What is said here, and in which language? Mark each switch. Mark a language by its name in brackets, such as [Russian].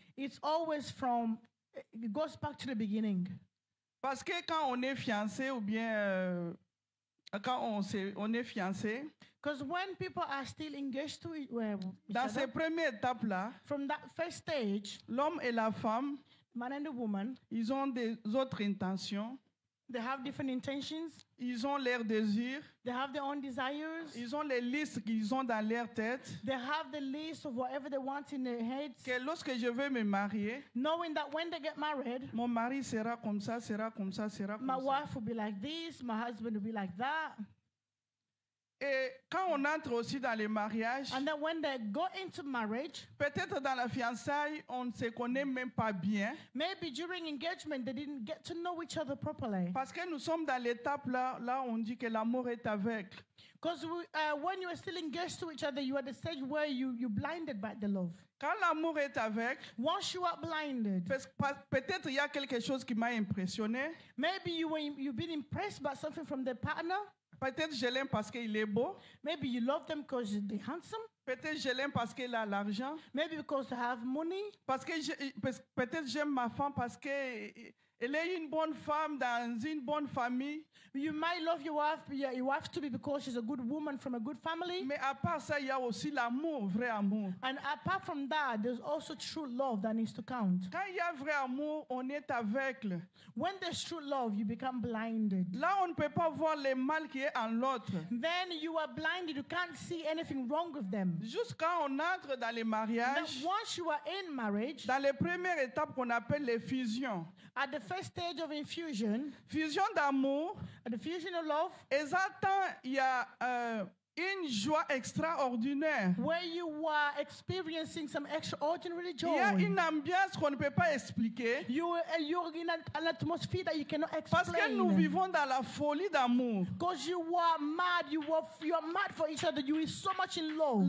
[English] It's always from, it goes back to the beginning. [French] Parce que quand on est fiancé ou bien quand on est fiancé. [English] Because when people are still engaged to each other. [French] Dans ces premières étapes là. [English] From that first stage. [French] L'homme et la femme. [English] Man and the woman. [French] Ils ont des autres intentions. [English] They have different intentions. [French] Ils ont leurs désirs. [English] They have their own desires. [French] Ils ont les listes qu'ils ont dans leur tête. [English] They have the list of whatever they want in their heads. [French] Que lorsque je veux me marier, [English] knowing that when they get married, [French] mon mari sera comme ça, sera comme ça, sera comme [English] my [French] ça. [English] My wife will be like this. My husband will be like that. [French] Et quand on entre aussi dans les mariages, [English] and then when they go into marriage, [French] peut-être dans la fiançaille, on ne se connaît même pas bien. [English] Maybe during engagement, they didn't get to know each other properly. [French] Parce que nous sommes dans l'étape là où on dit que l'amour est avec. [English] Because when you are still engaged to each other, you are at the stage where you're blinded by the love. [French] Quand l'amour est avec, [English] once you are blinded, [French] peut-être il y a quelque chose qui m'a impressionné. [English] Maybe you've been impressed by something from the partner. [French] Peut-être je l'aime parce qu'il est beau. [English] Maybe you love them because they're handsome. [French] Peut-être je l'aime parce qu'il a l'argent. [English] Maybe because they have money. [French] Parce que peut-être j'aime ma femme parce qu'elle est une bonne femme dans une bonne famille. [English] You might love your wife to be because she's a good woman from a good family. [French] Mais à part ça, il y a aussi l'amour, vrai amour. [English] And apart from that, there's also true love that needs to count. [French] Quand il y a vrai amour, on est aveugle. [English] When there's true love, you become blinded. [French] Là, on ne peut pas voir le mal qui est en l'autre. [English] Then you are blinded, you can't see anything wrong with them. [French] Juste quand on entre dans les mariages, [English] and once you are in marriage, [French] dans les premières étapes qu'on appelle les fusions, [English] at the first stage of infusion, [French] fusion d'amour, [English] a diffusion of love. [French] Exactement, il y a une joie extraordinaire. [English] Where you are experiencing some extraordinary joy. [French] Il y a une ambiance qu'on ne peut pas expliquer. [English] You're in an atmosphere that you cannot explain. [French] Parce que nous vivons dans la folie d'amour. [English] Because you are mad, you are mad for each other. You are so much in love.